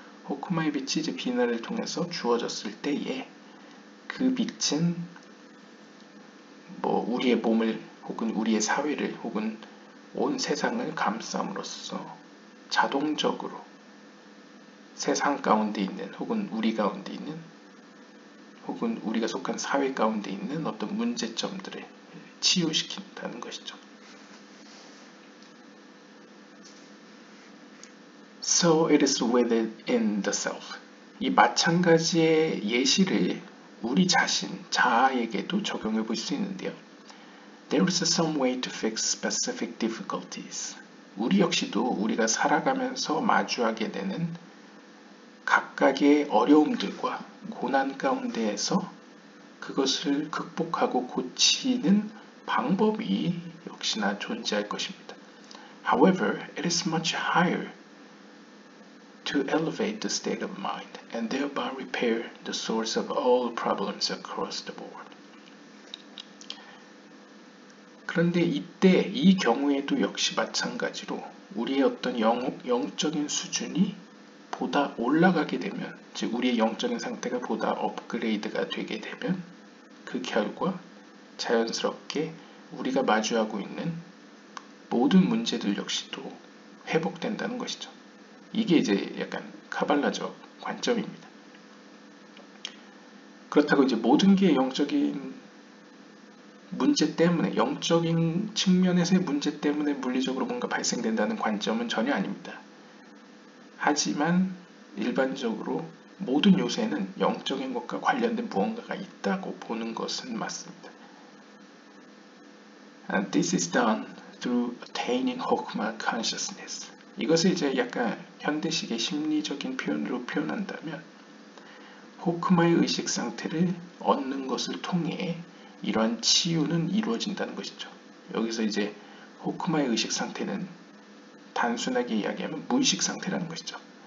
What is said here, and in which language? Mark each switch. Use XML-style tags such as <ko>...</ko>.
<ko>호크마의 빛이 이제 비나를 통해서 주어졌을 때에 그 빛은 뭐 우리의 몸을 혹은 우리의 사회를 혹은 온 세상을 감쌈으로써 자동적으로 세상 가운데 있는 혹은 우리 가운데 있는 혹은 우리가 속한 사회 가운데 있는 어떤 문제점들을 치유시킨다는 것이죠.</ko> <en>So it is with it in the self.</en> <ko>이 마찬가지의 예시를 우리 자신, 자아에게도 적용해 볼 수 있는데요.</ko> <en>There is some way to fix specific difficulties.</en> <ko>우리 역시도 우리가 살아가면서 마주하게 되는 각각의 어려움들과 고난 가운데에서 그것을 극복하고 고치는 방법이 역시나 존재할 것입니다.</ko> <en>However, it is much higher to elevate the state of mind and thereby repair the source of all problems across the board.</en> <ko>그런데 이때 이 경우에도 역시 마찬가지로 우리의 어떤 영적인 수준이 보다 올라가게 되면, 즉 우리의 영적인 상태가 보다 업그레이드가 되게 되면 그 결과 자연스럽게 우리가 마주하고 있는 모든 문제들 역시도 회복된다는 것이죠. 이게 이제 약간 카발라적 관점입니다. 그렇다고 이제 모든 게 영적인 문제 때문에, 영적인 측면에서의 문제 때문에 물리적으로 뭔가 발생된다는 관점은 전혀 아닙니다. 하지만 일반적으로 모든 요새는 영적인 것과 관련된 무언가가 있다고 보는 것은 맞습니다.</ko> <en>And this is done through attaining Chokmah consciousness.</en> <ko>이것을 이제 약간 현대식의 심리적인 표현으로 표현한다면 호크마의 의식 상태를 얻는 것을 통해 이러한 치유는 이루어진다는 것이죠. 여기서 이제 호크마의 의식 상태는 단순하게 이야기하면 무의식 상태라는 것이죠.</ko>